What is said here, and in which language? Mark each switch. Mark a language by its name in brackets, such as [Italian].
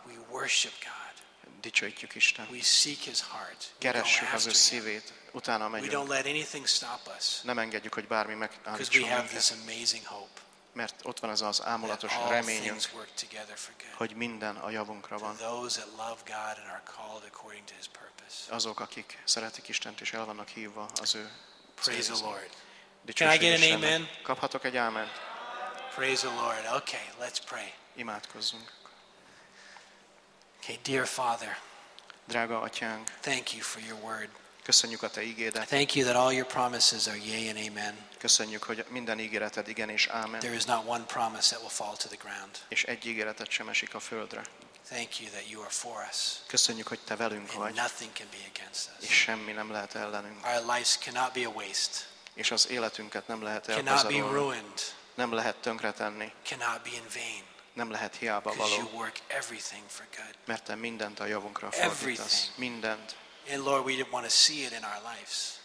[English] We worship God. [Hungarian] Dicsőítjük Isten. [English] We seek his heart. [Hungarian] Keressük az ő szívét. Utána megyünk. [English] We don't let anything stop us. [Hungarian] Nem engedjük, hogy bármi megállítson minket. [English] Because we have this amazing hope. [Hungarian] Mert ott van ez az álmulatos reményünk, hogy minden a javunkra van. [English] Those that love God and are called according to his purpose. [Hungarian] Azok, akik szeretik Istent és el vannak hívva az ő [English] Praise the Lord. Can I get an amen? [Hungarian] Kaphatok egy áment? [English] Praise the Lord. Okay, let's pray. [Hungarian] Imádkozzunk. [English] Hey, dear Father, [Hungarian] drága atyánk, [English] thank you for your word. [Hungarian] Köszönjük a te ígédet. [English] Thank you that all your promises are yea and amen. [Hungarian] Köszönjük, hogy minden ígéreted igen és ámen. [English] There is not one promise that will fall to the ground. [Hungarian] És egy ígéretet sem esik a földre. [English] Thank you that you are for us. [Hungarian] Köszönjük, hogy te velünk [English] and [Hungarian] vagy. [English] Nothing can be against us. [Hungarian] És semmi nem lehet ellenünk. [English] Our lives cannot be a waste. [Hungarian] És az életünket nem lehet elpazarolni. [English] Cannot be ruined. [Hungarian] Nem lehet tönkretenni. [English] Cannot be in vain. [Hungarian] Nem lehet hiába való. [English] You work everything for good. [Hungarian] Mert te mindent a javunkra fordítasz. Mindent. [English] And Lord, we didn't want to see it in our lives.